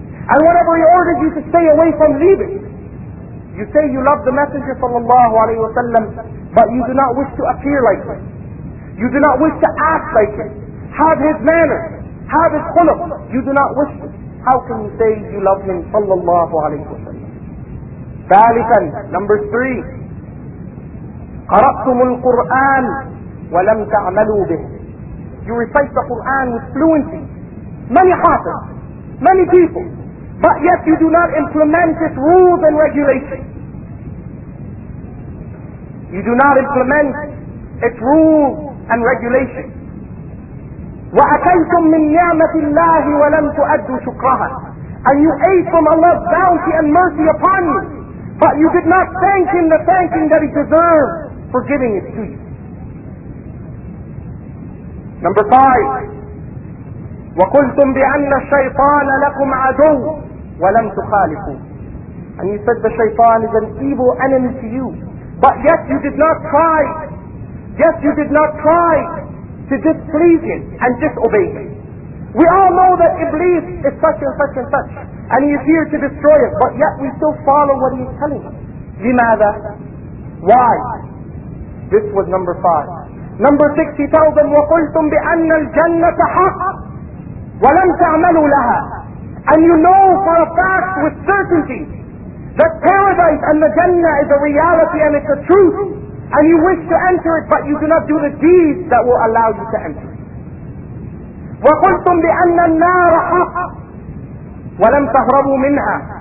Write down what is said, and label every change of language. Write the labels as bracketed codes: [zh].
[en] And whatever he orders you to stay away from, leave it. You say you love the Messenger صلى الله عليه وسلم, but you do not wish to appear like him. You do not wish to act like him. Have his manner, have his khuluq. You do not wish to. How can you say you love him صلى الله عليه وسلم? [ar] ثالثا, [en] number three, [ar] قرأتم القرآن ولم تعملوا به. [en] You recite the Quran with fluency. Many hafiz, many people, but yet you do not implement its rules and regulations. You do not implement its rules and regulations. [ar] وأتيتم من نعمة الله ولم تؤدوا شكرها. [en] And you ate from Allah's bounty and mercy upon you, but you did not thank him the thanking that he deserved for giving it to you. Number five. [ar] وَقُلْتُمْ بِأَنَّ الشَّيْطَانَ لَكُمْ عَدُوٌّ وَلَمْ تُخَالِفُوا. [en] And you said the shaytan is an evil enemy to you, but yet you did not try. Yet you did not try to displease him and disobey him. We all know that Iblis is such and such and such, and he is here to destroy us, but yet we still follow what he is telling us. لماذا? Why? This was number five. Number 6, he tells them, [ar] وَقُلْتُمْ بِأَنَّ الْجَنَّةَ حَقٌّ وَلَمْ تَعْمَلُوا لَهَا. [en] And you know for a fact with certainty that paradise and the Jannah is a reality and it's a truth, and you wish to enter it, but you do not do the deeds that will allow you to enter it. [ar] وَقُلْتُمْ بِأَنَّ النَّارَ حَقٌّ وَلَمْ تَهْرَبُوا مِنْهَا.